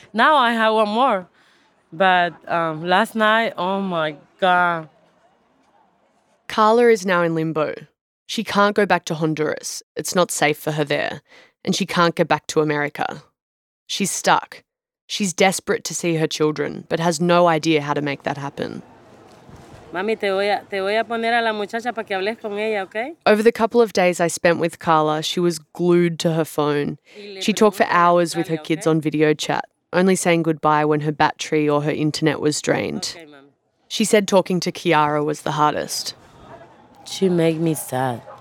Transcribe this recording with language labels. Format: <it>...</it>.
<en>Now I have one more. But last night, oh my God. Karla is now in limbo. She can't go back to Honduras. It's not safe for her there. And she can't get back to America. She's stuck. She's desperate to see her children, but has no idea how to make that happen.</en> <es>Mami, te voy a poner a la muchacha para que hables con ella, okay?</es> <en>Over the couple of days I spent with Karla, she was glued to her phone. She talked for hours with her kids on video chat. only saying goodbye when her battery or her internet was drained. Okay, ma'am. She said talking to Kiara was the hardest. She made me sad.</en>